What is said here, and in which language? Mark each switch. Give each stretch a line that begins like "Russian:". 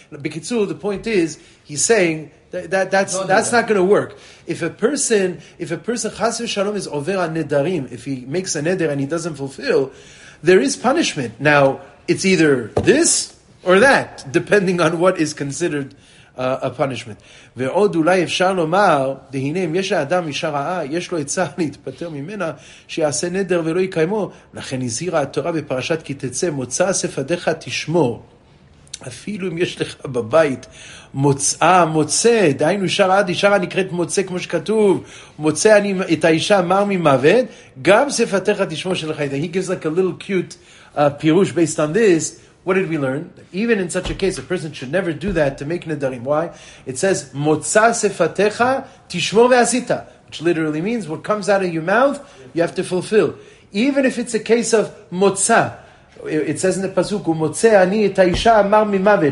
English: Bekitzur, the point is, he's saying that's not going to work. If a person chas v'shalom is over on nedarim, if he makes a neder and he doesn't fulfill, there is punishment. Now, it's either this or that, depending on what is considered a punishment.
Hebrew: ועוד אולי אפשר לומר, דהנה אם יש האדם אישה רעה, יש לו עצה להתפטר ממנה, שיעשה נדר ולא יקיימו. לכן הזהירה התורה בפרשת כי תצא, מוצא שפדיך תשמור. אפילו אם יש לך בבית מוצאה, מוצא, דהיינו אישה רעה נקראת מוצא, כמו שכתוב, מוצא אני את האישה מר ממוות, גם שפתיך תשמור שלך.
English: He gives like a little cute פירוש based on this. What did we learn? Even in such a case, a person should never do that to make נדרים. Why? It says,
Hebrew: מוצא שפתיך תשמור ועשית,
English: which literally means what comes out of your mouth, you have to fulfill. Even if it's a case of מוצא, it says in the pasuk,
Hebrew: "Umotze ani et ha'isha amar mimavet."